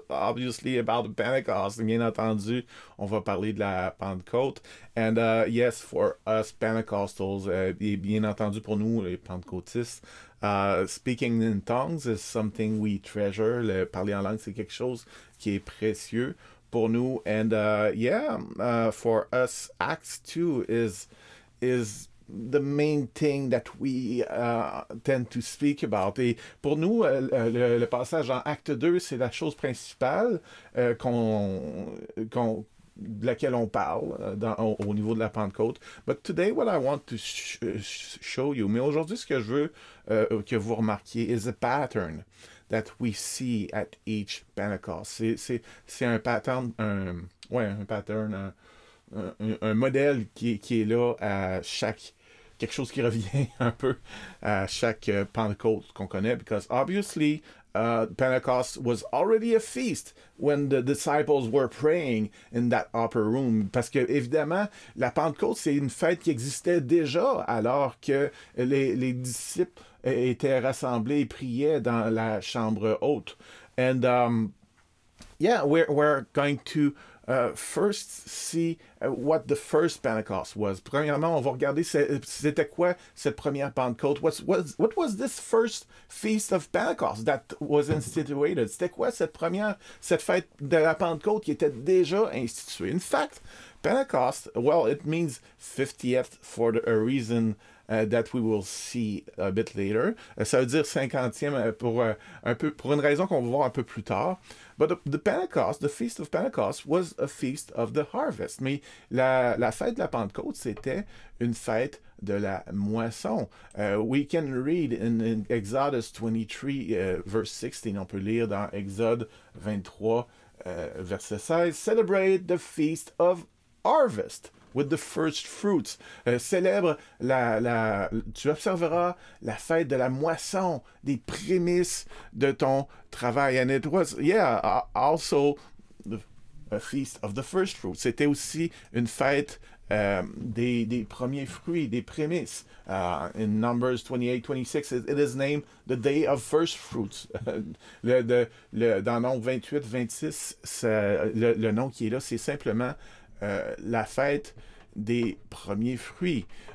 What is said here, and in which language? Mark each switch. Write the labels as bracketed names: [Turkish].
[English] Obviously about Pentecost. [French] Bien entendu, on va parler de la Pentecôte. [English] And yes, for us Pentecostals, [French] et bien entendu pour nous les pentecôtistes, [English] speaking in tongues is something we treasure. [French] Le parler en langue, c'est quelque chose qui est précieux pour nous. [English] And for us, Acts 2 is the main thing that we tend to speak about. [French] Et pour nous, le passage en Acte 2, c'est la chose principale qu'on de laquelle on parle au niveau de la Pentecôte. [English] But today, what I want to show you, [French] mais aujourd'hui, ce que je veux que vous remarquiez, [English] is a pattern that we see at each Pentecost. [French] C'est un pattern, un modèle qui est là à chaque, quelque chose qui revient un peu à chaque Pentecôte qu'on connaît, [English] because obviously, Pentecost was already a feast when the disciples were praying in that upper room. [French] Parce que, évidemment, la Pentecôte, c'est une fête qui existait déjà alors que les disciples étaient rassemblés et priaient dans la chambre haute. [English] And, we're going to first see what the first Pentecost was. [French] Premièrement, on va regarder c'était quoi cette première Pentecôte. [English] What was this first feast of Pentecost that was instituted? [French] C'était quoi cette fête de la Pentecôte qui était déjà instituée? [English] In fact, Pentecost, well, it means 50th for a reason that we will see a bit later. [French] Ça veut dire 50e pour une raison qu'on va voir un peu plus tard. [English] But the Pentecost, the Feast of Pentecost, was a feast of the harvest. [French] Mais la fête de la Pentecôte, c'était une fête de la moisson. [English] We can read in Exodus 23, verse 16. [French] On peut lire dans Exode 23, verset 16. [English] Celebrate the Feast of Harvest with the first fruits. [French] Célèbre tu observeras la fête de la moisson, des prémices de ton travail. [English] And it was, also a feast of the first fruits. [French] C'était aussi une fête des premiers fruits, des prémices. [English] In Numbers 28-26, it is named the day of first fruits. [French] dans Nombre 28-26, le nom qui est là, c'est simplement la fête des premiers fruits.